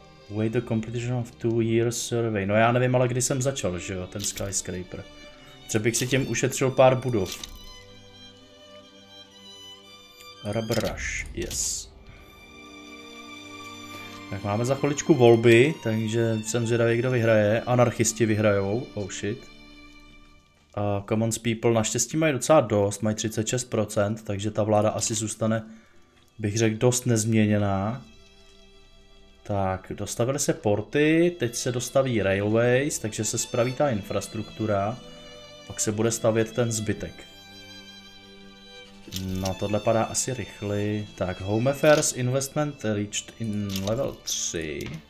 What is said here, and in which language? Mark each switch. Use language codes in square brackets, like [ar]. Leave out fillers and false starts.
[en] Wait the completion of 2-year survey. [cs] No já nevím, ale kdy jsem začal, že jo, ten skyscraper. Třeba bych si tím ušetřil pár budov. [en] Rubber rush, yes. [cs] Tak máme za chviličku volby, takže jsem zvědavý, kdo vyhraje. Anarchisti vyhrajou, [en] oh shit. [cs] Commons people naštěstí mají docela dost, mají 36%, takže ta vláda asi zůstane, bych řekl, dost nezměněná. Tak, dostavily se porty, teď se dostaví railways, takže se spraví ta infrastruktura. Pak se bude stavět ten zbytek. No tohle padá asi rychle. [en] Tak, home affairs investment reached in level 3.